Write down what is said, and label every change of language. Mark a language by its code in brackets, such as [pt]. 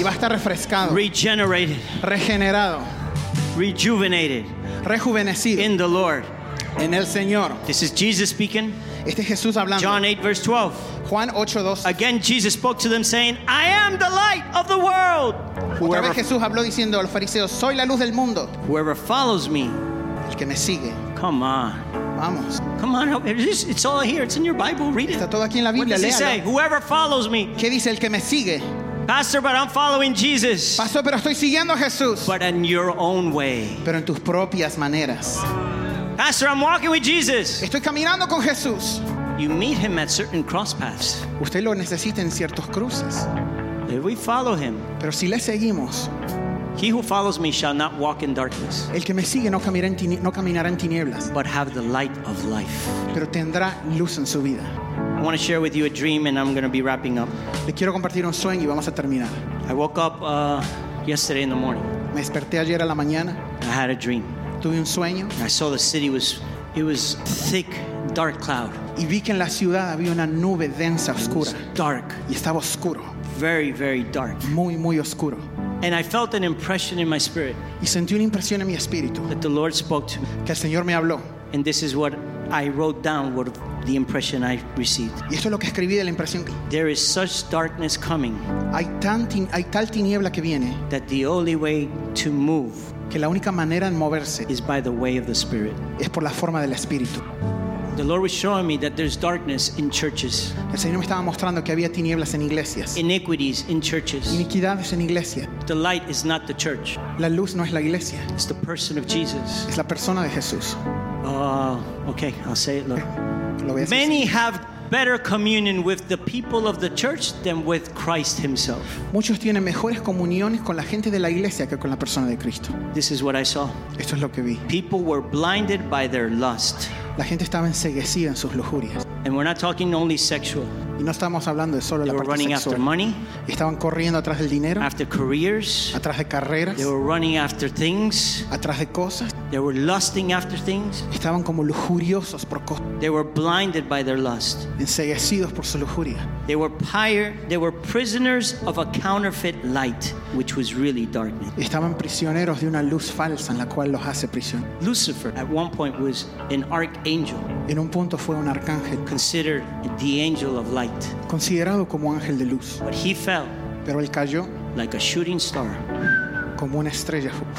[es] Y va a estar refrescado. [en] Regenerated. [es] Regenerado. [en] Rejuvenated. [es] Rejuvenecido. [en] In the Lord. [es] En el Señor. [en] This is Jesus speaking. [es] Este es Jesús hablando. [en] John 8 verse 12. [es] Juan 8:12. [en] Again Jesus spoke to them saying, I am the light of the world. [es] Otra vez Jesús habló diciendo a los fariseos, soy la luz del mundo. [en] Whoever follows me, [es] el que me sigue. [en] Come on. [es] Vamos. [en] Come on, it's all here. It's in your Bible. Read it. [es] Está todo aquí en la Biblia. [en] What does he say? Whoever follows me. [es] ¿Qué dice el que me sigue? [en] Pastor, but I'm following Jesus. [es] Pastor, pero estoy siguiendo a Jesús. [en] But in your own way. [es] Pero en tus propias maneras. [en] Pastor, I'm walking with Jesus. [es] Estoy caminando con Jesús. [en] You meet him at certain cross paths. [es] Usted lo necesita en ciertos cruces. [en] If we follow him. [es] Pero si le seguimos. [en] He who follows me shall not walk in darkness. [es] El que me sigue no caminará en tinieblas. [en] But have the light of life. [es] Pero tendrá luz en su vida. [en] I want to share with you a dream, and I'm going to be wrapping up. [es] Le quiero compartir un sueño y vamos a terminar. [en] I woke up yesterday in the morning. [es] Me desperté ayer a la mañana. [en] I had a dream. [es] Tuve un sueño. [en] I saw the city was thick, dark cloud. [es] Y vi que en la ciudad había una nube densa, oscura. [en] It was dark. [es] Y estaba oscuro. [en] Very, very dark. [es] Muy, muy oscuro. [en] And I felt an impression in my spirit. [es] Y sentí una impresión en mi espíritu. [en] That the Lord spoke to me. [es] Que el Señor me habló. [en] And this is what I wrote down, what the impression I received. [es] Y esto es lo que escribí de la impresión. [en] There is such darkness coming. [es] Hay tal tiniebla que viene. [en] That the only way to move. [es] Que la única manera en moverse. [en] Is by the way of the Spirit. [es] Es por la forma del espíritu. [en] The Lord was showing me that there's darkness in churches. [es] El Señor me estaba mostrando que había tinieblas en iglesias. [en] Iniquities in churches. [es] Iniquidades en iglesia. [en] The light is not the church. [es] La luz no es la iglesia. [en] It's the person of Jesus. [es] Es la persona de Jesús. [en] Oh, okay, I'll say it, Lord. [es] Lo voy a decir. [en] Many have better communion with the people of the church than with Christ himself. [es] Muchos tienen mejores comuniones con la gente de la iglesia que con la persona de Cristo. [en] This is what I saw. [es] Esto es lo que vi. [en] People were blinded by their lust. [es] La gente estaba enceguecida en sus lujurias. [en] And we're not talking only sexual. [es] Y no estamos hablando de solo la parte sexual. [en] They were running after money. [es] Y estaban corriendo atrás del dinero. [en] After careers. [es] Atrás de carreras. [en] They were running after things. [es] Atrás de cosas. [en] They were lusting after things. [es] Estaban como lujuriosos por cosas. [en] They were blinded by their lust. [es] Enceguecidos por su lujuria. [en] They were prisoners of a counterfeit light, which was really darkness. [es] Estaban prisioneros de una luz falsa en la cual los hace prisioneros. [en] Lucifer at one point was an archangel. [es] En un punto fue un arcángel. [en] Considered the angel of light. [es] Considerado como ángel de luz. [en] But he fell. [es] Pero él cayó. [en] Like a shooting star. [es] Como una estrella fugaz.